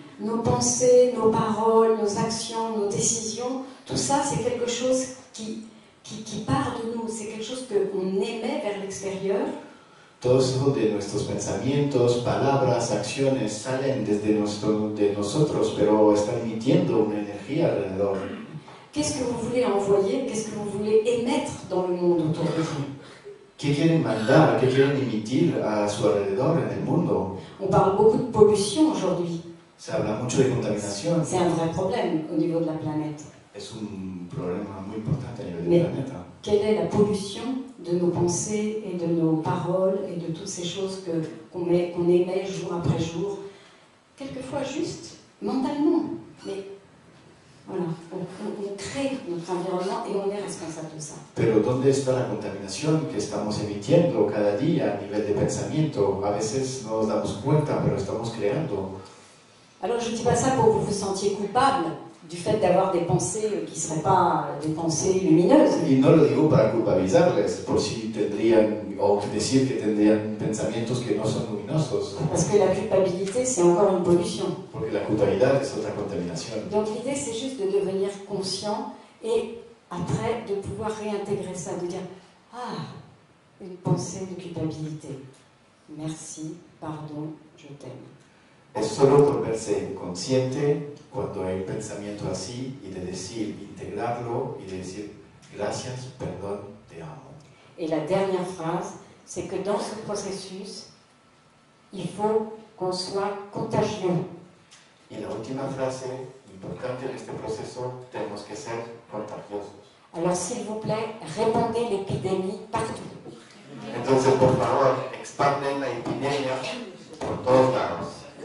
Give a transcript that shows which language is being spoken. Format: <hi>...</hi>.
<fr>Nos pensées, nos paroles, nos actions, nos décisions, tout ça c'est quelque chose qui part de nous, c'est quelque chose que on émet vers l'extérieur.</fr> <es>Todos son de nuestros pensamientos, palabras, acciones salen desde nuestro de nosotros, pero están emitiendo una energía alrededor.</es> <fr>Qu'est-ce que vous voulez envoyer? Qu'est-ce que vous voulez émettre dans le monde autour de vous?</fr> <es>¿Qué quieren mandar? ¿Qué quieren emitir a su alrededor en el mundo?</es> <fr>On parle beaucoup de pollution aujourd'hui.</fr> <es>Se habla mucho de contaminación.</es> <fr>C'est un vrai problème au niveau de la planète.</fr> <es>Es un problema muy importante a nivel</es> <fr>Mais</fr> <es>de la planeta.</es> <fr>Quelle est la pollution de nos pensées et de nos paroles et de toutes ces choses qu'on émet jour après jour, quelquefois juste mentalement. Mais voilà, on crée notre environnement et on est responsable de ça.</fr> <es>Pero dónde está la contaminación que estamos emitiendo cada día a nivel de pensamiento? A veces no nos damos cuenta, pero estamos creando.</es> <fr>Alors je dis pas ça pour que vous vous sentiez coupable du fait d'avoir des pensées qui ne seraient pas des pensées lumineuses.</fr> <es>Y no lo digo para culpabilizarles, por si tendrían, o decir que tendrían pensamientos que no son luminosos.</es> <fr>Parce que la culpabilité, c'est encore une pollution.</fr> <es>Porque la culpabilidad es otra contaminación.</es> <fr>Donc l'idée, c'est juste de devenir conscient et après de pouvoir réintégrer ça, de dire, ah, une pensée de culpabilité. Merci, pardon, je t'aime.</fr> <es>Es solo volverse consciente cuando hay un pensamiento así y de decir, integrarlo y de decir gracias, perdón, te amo.</es> <fr>Et la dernière phrase, c'est que dans ce processus, il faut qu'on soit contagieux.</fr> <es>Y la última frase importante de este proceso, tenemos que ser contagiosos.</es> <fr>Alors s'il vous plaît, répandez l'épidémie partout.</fr> <es>Entonces, por favor, expanden la epidemia por todos lados.</es>